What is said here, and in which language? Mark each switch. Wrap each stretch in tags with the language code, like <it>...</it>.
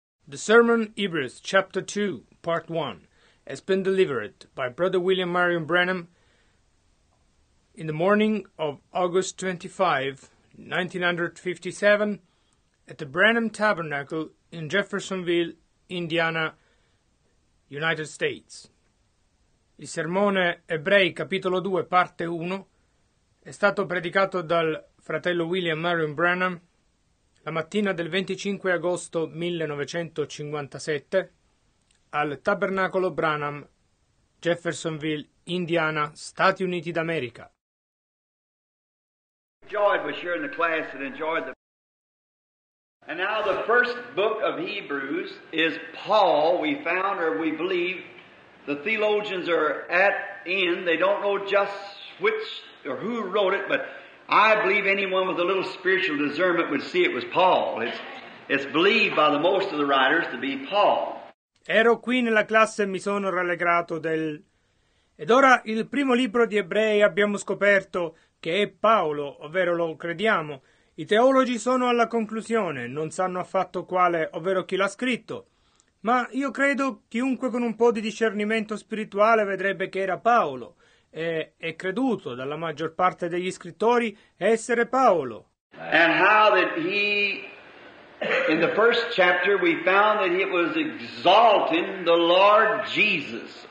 <en>The Sermon Hebrews, Chapter 2, Part 1, has been delivered by Brother William Marion Branham in the morning of August 25, 1957, at the Branham Tabernacle in Jeffersonville, Indiana, United States.</en> <it>Il sermone Ebrei, capitolo 2, parte 1, è stato predicato dal fratello William Marion Branham la mattina del 25 agosto 1957 al Tabernacolo Branham, Jeffersonville, Indiana, Stati Uniti d'America.</it> <en>Enjoyed, was here in the class and enjoyed the. And now the first book of Hebrews is Paul. We found, or we believe, the theologians are at end. They don't know just which or who wrote it, but I believe anyone with a little spiritual discernment would see it was Paul. It's believed by the most of the writers to be Paul.</en> <it>Ero qui nella classe e mi sono rallegrato del. Ed ora il primo libro di Ebrei abbiamo scoperto che è Paolo, ovvero lo crediamo. I teologi sono alla conclusione, non sanno affatto quale, ovvero chi l'ha scritto. Ma io credo chiunque con un po' di discernimento spirituale vedrebbe che era Paolo. È creduto dalla maggior parte degli scrittori essere Paolo.</it> <en>And how that he, in the first chapter, we found that he was exalting the Lord Jesus.</en>